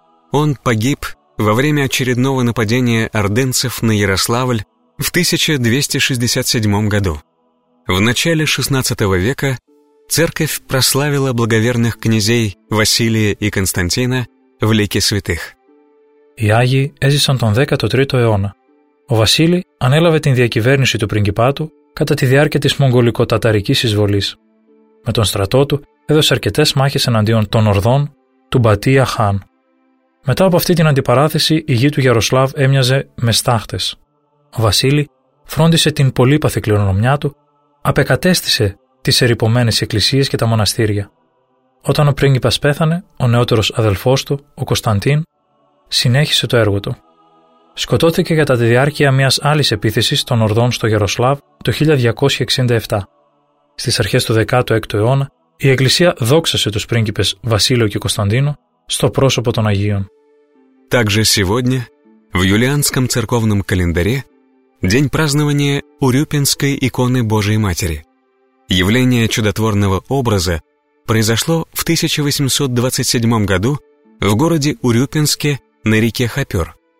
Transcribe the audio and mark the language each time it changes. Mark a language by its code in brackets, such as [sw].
[ru] Он погиб во время очередного нападения ордынцев на Ярославль в 1267 году. В начале XVI века церковь прославила благоверных князей Василия и Константина в лике святых. [el] Οι Άγιοι έζησαν τον 13ο αιώνα. Ο Βασίλη ανέλαβε την διακυβέρνηση του πριγκιπάτου κατά τη διάρκεια της μογγολικο-ταταρικής εισβολής. Με τον στρατό του έδωσε αρκετές μάχες εναντίον των Ορδών του Μπατία Χάν. Μετά από αυτή την αντιπαράθεση, η γη του Γιαροσλάβ έμοιαζε με στάχτες. Ο Βασίλη φρόντισε την πολύπαθη κληρονομιά του, απεκατέστησε τις ερυπωμένες εκκλησίες και τα μοναστήρια. Όταν ο πρίγκιπας πέθανε, ο νεότερος αδελφός του, ο Κωνσταντίν, συνέχισε το έργο του. Σκοτώθηκε κατά τη διάρκεια μιας άλλης επίθεσης των Ορδών στο Γιαροσλάβ το 1267. Στις αρχές του 16ου αιώνα, η Εκκλησία δόξασε τους πρίγκιπες Βασίλειο και Κωνσταντίνο στο πρόσωπο των Αγίων. [ru] Также сегодня в юлианском церковном календаре день празднования Урюпинской иконы Божией Матери. Явление чудотворного образа произошло в 1827 году в городе Урюпинске на реке Хопёр.